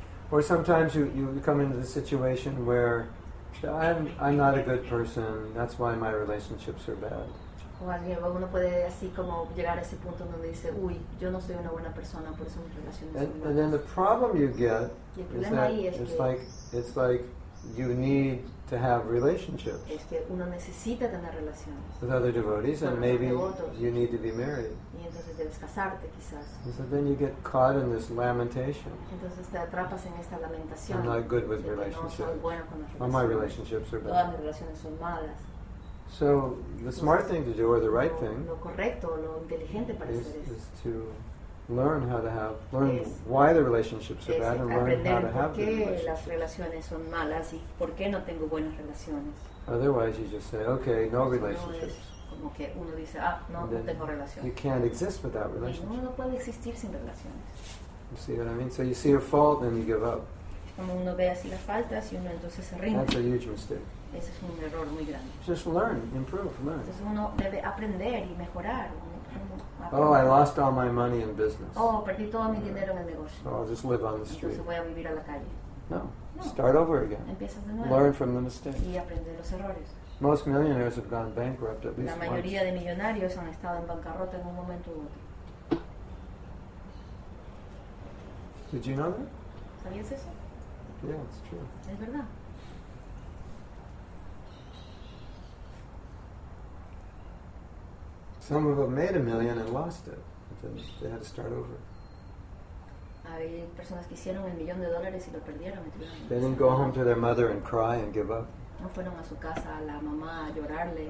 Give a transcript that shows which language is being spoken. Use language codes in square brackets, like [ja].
[en] Or sometimes you come into the situation where I'm not a good person, that's why my relationships are bad. [es] O alguno puede así como llegar a ese punto donde dice, uy, yo no soy una buena persona, por eso mis relaciones son malas. [en] And then the problem you get is that it's like you need to have relationships. [es] Es que uno necesita tener relaciones. [en] With other devotees, and maybe you need to be married. [es] Y entonces debes casarte, quizás. [en] And so then you get caught in this lamentation. [es] Entonces te atrapas en esta lamentación. [en] I'm not good with relationships. [es] No soy bueno con las relaciones. [en] Or my relationships are bad. [es] Todas mis relaciones son malas. [en] So the smart thing to do, or the right thing, is to learn how to have, learn why the relationships are bad, and learn how to have the relationships. [es] Las relaciones son malas y por qué no tengo buenas relaciones. [en] Otherwise, you just say, okay, no relationships. [es] Como que uno dice, ah, no, no tengo relaciones. [en] You can't exist without relationships. [es] Uno no puede existir sin relaciones. [en] You see what I mean? So you see a fault, then you give up. [es] Como uno ve así las faltas y uno entonces se rinde. [en] That's a huge mistake. [es] Ese es un error muy grande. [en] Just learn, improve, learn. [es] Entonces uno debe aprender y mejorar. [en] Oh, I lost all my money in business. [es] Oh, perdí todo mi dinero en el negocio. [en] Oh, I'll just live on the street. [es] Entonces voy a vivir a la calle. [en] No, start over again. [es] Empiezas de nuevo. [en] Learn from the mistakes. [es] Y aprende los errores. [en] Most millionaires have gone bankrupt at least once. [es] La mayoría de millonarios han estado en bancarrota en un momento u otro. [en] Did you know that? [es] ¿Sabías eso? [en] Yeah, it's true. [es] Es verdad. [en] Some of them made a million and lost it. They had to start over. [es] Hay personas que hicieron el millón de dólares y lo perdieron. [en] They didn't go home to their mother and cry and give up. [es] No fueron a su casa a la mamá a llorarle.